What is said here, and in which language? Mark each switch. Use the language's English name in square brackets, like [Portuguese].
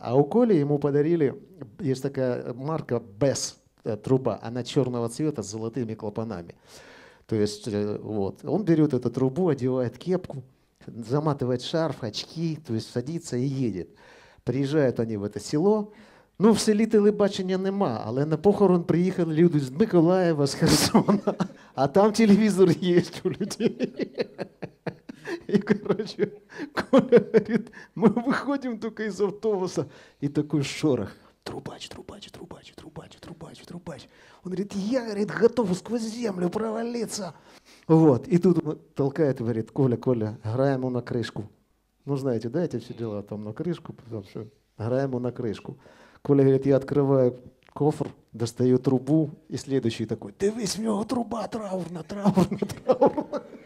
[Ukrainian] А у Колі йому подарили, є така марка Bess труба, вона чорного цвіту з золотими клапанами. [Russian] То есть вот, он берет эту трубу, одевает кепку, заматывает шарф, очки, то есть садится и едет. Приезжают они в это село. [Ukrainian] Ну, в селі телебачення нема, але на похорон приїхали люди з Миколаєва, з Херсона, а там телевізор є у людей. І, короче, Коля говорить: ми виходимо тільки із автобуса, і такий шорох. Трубач, трубач, трубач, трубач, трубач, трубач. [Russian] Он говорит: я, говорит, готов сквозь землю провалиться. Вот. И тут он толкает, говорит: Коля, Коля, граем на крышку. Ну, знаете, да, эти все дела там на крышку, потому что граем на крышку. Коля говорит: я открываю кофр, достаю трубу, и следующий такой: [Ukrainian] дивись, [Russian] у него труба [Ukrainian] траурна, траурна, траурна.